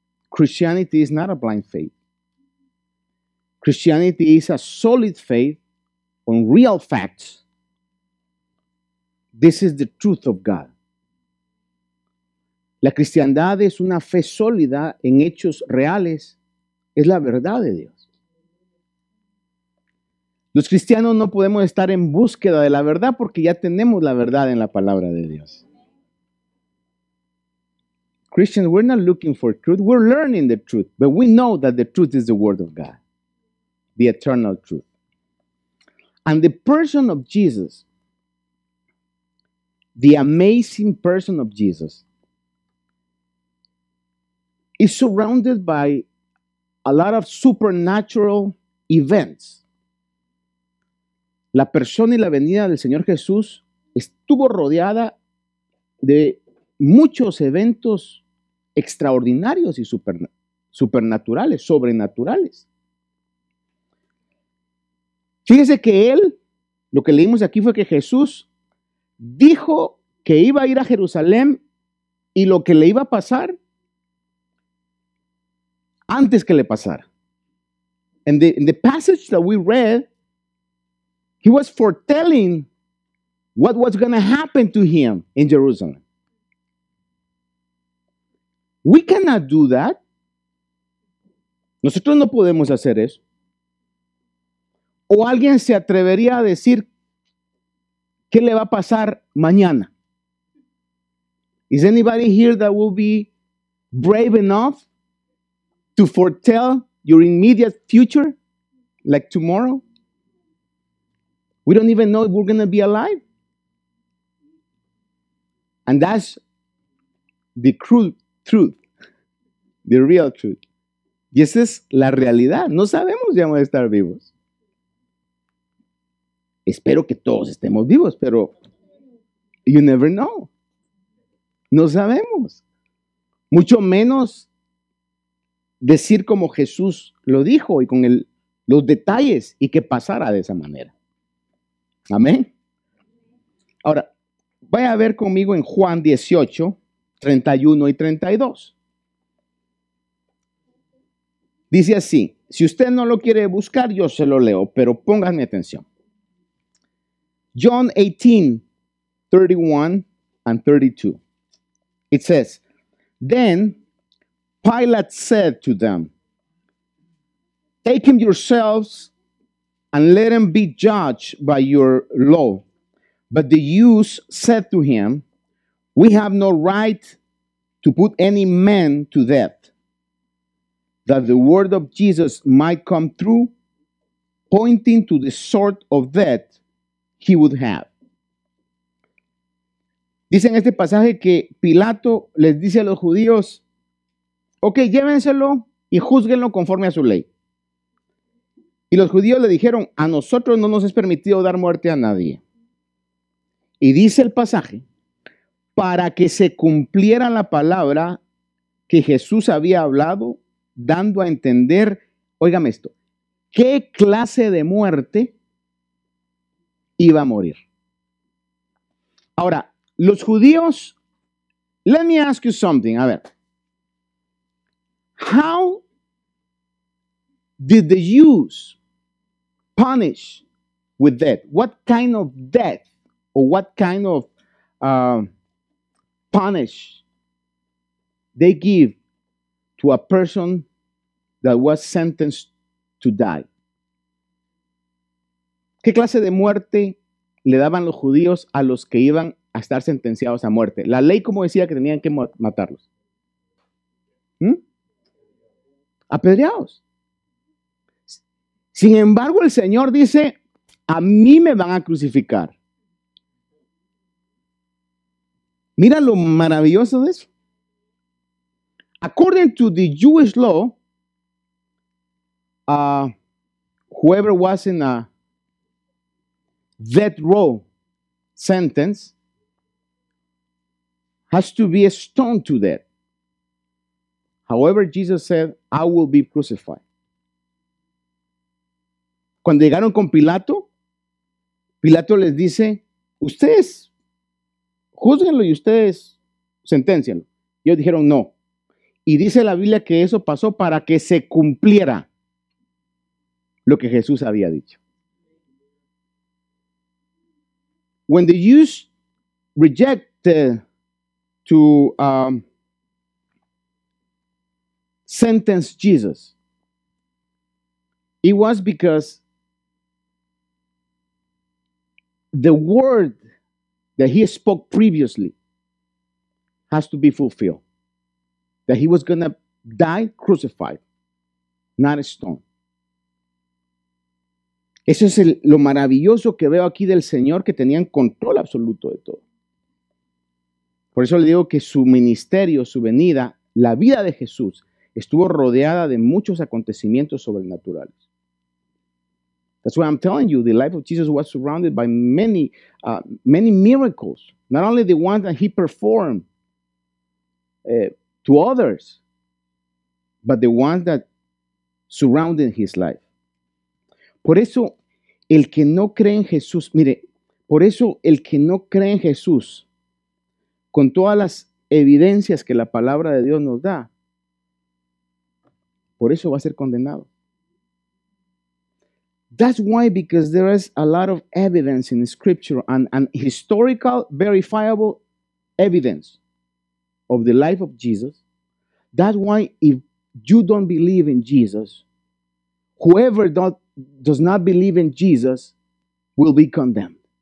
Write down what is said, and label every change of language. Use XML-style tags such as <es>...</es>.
<en>Christianity is not a blind faith. Christianity is a solid faith on real facts. This is the truth of God.</en> <es>La cristiandad es una fe sólida en hechos reales. Es la verdad de Dios. Los cristianos no podemos estar en búsqueda de la verdad porque ya tenemos la verdad en la palabra de Dios.</es> <en>Christians, we're not looking for truth. We're learning the truth. But we know that the truth is the word of God. The eternal truth. And the person of Jesus, the amazing person of Jesus, is surrounded by a lot of supernatural events.</en> <es>La persona y la venida del Señor Jesús estuvo rodeada de muchos eventos extraordinarios y supernaturales, sobrenaturales. Fíjese que él, lo que leímos aquí fue que Jesús dijo que iba a ir a Jerusalén y lo que le iba a pasar antes que le pasara.</es> <en>In the passage that we read, he was foretelling what was going to happen to him in Jerusalem. We cannot do that.</en> <es>Nosotros no podemos hacer eso. ¿O alguien se atrevería a decir qué le va a pasar mañana?</es> <en>Is anybody here that will be brave enough to foretell your immediate future, like tomorrow? We don't even know if we're going to be alive. And that's the cruel truth, the real truth.</en> <es>Y esa es la realidad. No sabemos si vamos a estar vivos. Espero que todos estemos vivos, pero</es> <en>you never know.</en> <es>No sabemos. Mucho menos decir como Jesús lo dijo y con los detalles y que pasara de esa manera. Amén. Ahora, vaya a ver conmigo en Juan 18, 31 y 32. Dice así, si usted no lo quiere buscar, yo se lo leo, pero pónganme atención.</es> <en>John 18, 31 and 32. It says, then Pilate said to them, take him yourselves and let him be judged by your law. But the Jews said to him, we have no right to put any man to death. That the word of Jesus might come through, pointing to the sort of death he would have.</en> <es>Dice en este pasaje que Pilato les dice a los judíos, ok, llévenselo y júzguenlo conforme a su ley. Y los judíos le dijeron, a nosotros no nos es permitido dar muerte a nadie. Y dice el pasaje, para que se cumpliera la palabra que Jesús había hablado, dando a entender, óigame esto, ¿qué clase de muerte iba a morir? Ahora, los judíos,</es> <en>let me ask you something,</en> <es>a ver.</es> <en>How did the Jews punish with death? What kind of death or what kind of punish they give to a person that was sentenced to die?</en> <es>¿Qué clase de muerte le daban los judíos a los que iban a estar sentenciados a muerte? La ley, como decía, que tenían que matarlos. Apedreados. Sin embargo, el Señor dice, a mí me van a crucificar. Mira lo maravilloso de eso.</es> <en>According to the Jewish law, whoever was in a death row sentence has to be stoned to death. However, Jesus said, I will be crucified.</en> <es>Cuando llegaron con Pilato, Pilato les dice, ustedes, júzguenlo y ustedes sentencienlo. Ellos dijeron, no. Y dice la Biblia que eso pasó para que se cumpliera lo que Jesús había dicho.</es> <en>When the Jews rejected to sentence Jesus, it was because the word that he spoke previously has to be fulfilled. That he was going to die crucified, not a stone.</en> <es>Eso es lo maravilloso que veo aquí del Señor, que tenían control absoluto de todo. Por eso le digo que su ministerio, su venida, la vida de Jesús, estuvo rodeada de muchos acontecimientos sobrenaturales.</es> <en>That's why I'm telling you, the life of Jesus was surrounded by many, many miracles. Not only the ones that he performed to others, but the ones that surrounded his life.</en> <es>Por eso, el que no cree en Jesús, mire, por eso el que no cree en Jesús, con todas las evidencias que la palabra de Dios nos da, por eso va a ser condenado.</es> <en>That's why, because there is a lot of evidence in Scripture and historical, verifiable evidence of the life of Jesus. That's why if you don't believe in Jesus, whoever does not believe in Jesus will be condemned.</en>